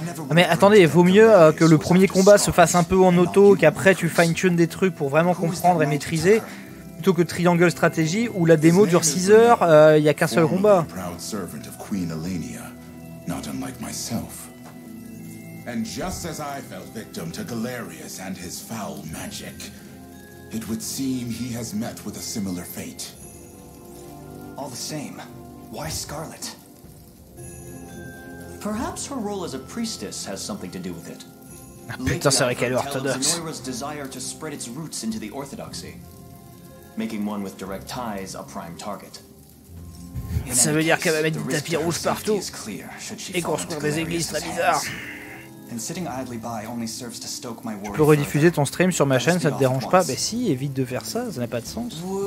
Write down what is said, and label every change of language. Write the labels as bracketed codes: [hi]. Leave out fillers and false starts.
[fr] Mais attendez, vaut mieux que le premier combat se fasse un peu en auto, qu'après tu fine-tune des trucs pour vraiment comprendre et maîtriser, plutôt que Triangle Strategy où la démo dure 6 heures, il y a qu'un seul combat. [en] Proud servant of Queen Alenia. Not unlike myself. And just as I fell victim to Galerius and his foul magic, it would seem he has met with a similar fate. All the same, why Scarlett? Perhaps her role as a priestess has something to do with it. [fr] Putain, c'est vrai qu'elle est orthodoxe. [en] Zenoira's desire to spread its roots into the orthodoxy, making one with direct ties a prime target. [fr] Ça veut dire qu'elle va mettre du tapis rouge partout et construire des églises très bizarres. Tu peux rediffuser ton stream sur ma chaîne, ça te dérange pas? Ben si, évite de faire ça, ça n'a pas de sens.